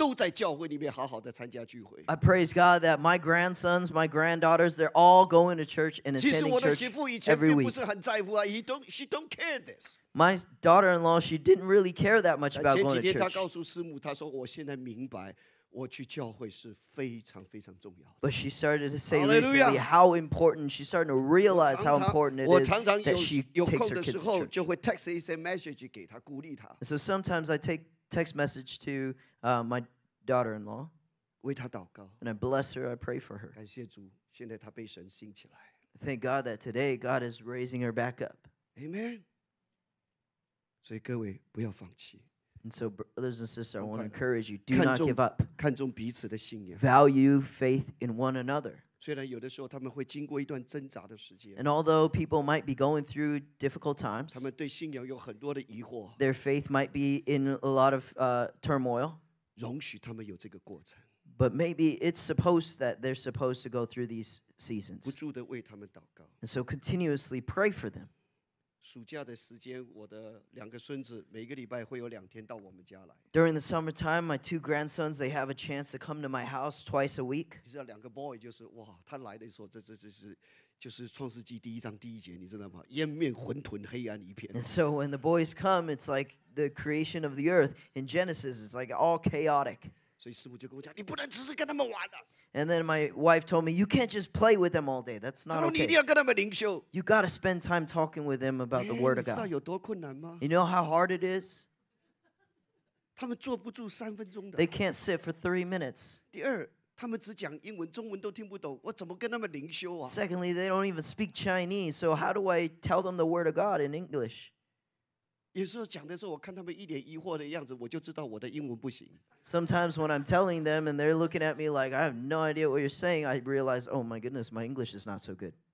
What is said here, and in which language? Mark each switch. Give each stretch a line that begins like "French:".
Chinese: 我感谢主，我的孙子孙女每个都在教会里面好好的参加聚会。
English: I praise God that my grandsons, my granddaughters, they're all going to church and attending church every week.
Chinese: 其实我的媳妇以前并不是很在乎啊，
English: she don't care this. My daughter-in-law, she didn't really care that much about going to church.
Chinese: 前几天她告诉师母，她说我现在明白。
English: But she started to say recently how important, she started to realize how important it is that she takes her kids to church. So sometimes I take text message to my daughter-in-law. And I bless her, I pray for her. Thank God that today God is raising her back up. Amen. And so, brothers and sisters, I want to encourage you, do not give up.
Chinese: 看重彼此的信仰,
English: value faith in one another.
Chinese: 虽然有的时候他们会经过一段挣扎的时间,
English: and although people might be going through difficult times,
Chinese: 他们对信仰有很多的疑惑,
English: their faith might be in a lot of turmoil.
Chinese: 容许他们有这个过程,
English: but maybe it's supposed that they're supposed to go through these seasons.
Chinese: 不住地为他们祷告,
English: and so continuously pray for them.
Chinese: 暑假的时间，我的两个孙子每个礼拜会有两天到我们家来。
English: During the summertime, my two grandsons they have a chance to come to my house twice a week.
Chinese: 这两个 boy 就是哇，他来的时候，这就是创世纪第一章第一节，你知道吗？烟面混沌，黑暗一片。
English: And so when the boys come, it's like the creation of the earth in Genesis. It's like all chaotic.
Chinese: 所以师母就跟我讲，你不能只是跟他们玩的。And
English: then my wife told me, you can't just play with them all day. That's not okay.
Chinese: 他说你一定要跟他们灵修。
English: You got to spend time talking with them about the word of God.
Chinese: 你知道有多困难吗？
English: You know how hard it is?
Chinese: 他们坐不住三分钟的。
English: They can't sit for 3 minutes.
Chinese: 第二，他们只讲英文，中文都听不懂，我怎么跟他们灵修啊？
English: Secondly, they don't even speak Chinese. So how do I tell them the word of God in English?
Chinese: 有时候讲的时候，我看他们一脸疑惑的样子，我就知道我的英文不行。
English: Sometimes when I'm telling them and they're looking at me like I have no idea what you're saying, I realize, oh my goodness, my English is not so good.